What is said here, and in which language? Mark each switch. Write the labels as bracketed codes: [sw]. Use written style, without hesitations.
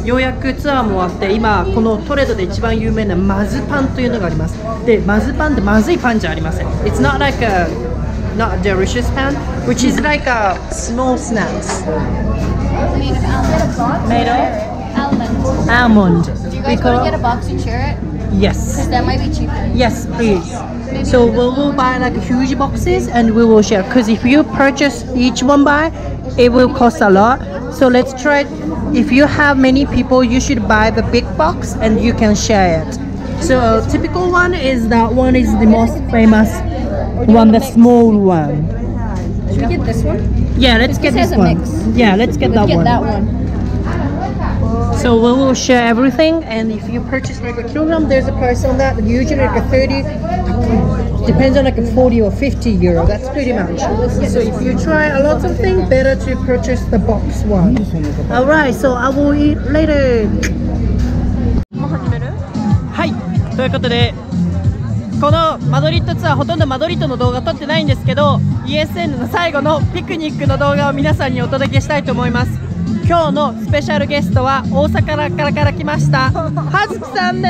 [ja] ようやくツアーも終わって、今このトレドで一番有名なマズパンというのがあります。で、マズパンってまずいパンじゃありません。 [en] It's not like a not delicious pan, which is like a small snacks. Tomato? Almond. Almond. Do you guys want to get a box and share it? Yes. Because that might be cheaper. Yes, please. So we will buy like huge boxes and we will share. Because if you purchase each one by, it will cost a lot. So let's try it. If you have many people, you should buy the big box and you can share it. So typical one is that one is the most famous one, the small one. Should we get this one? Yeah, let's get this one. Yeah, let's get that one. So we will share everything, and if you purchase like a kilogram, there's a price on that, usually like a 30, depends on like a 40 or 50 euro, that's pretty much. So if you try a lot of things, better to purchase the box one. Alright, so I will eat later. [ja] はい、ということで、このマドリッドツアー、ほとんどマドリッドの動画撮ってないんですけど、ESN の最後のピクニックの動画を皆さんにお届けしたいと思います。今日のスペシャルゲストは大阪から来ました、はずきさんです。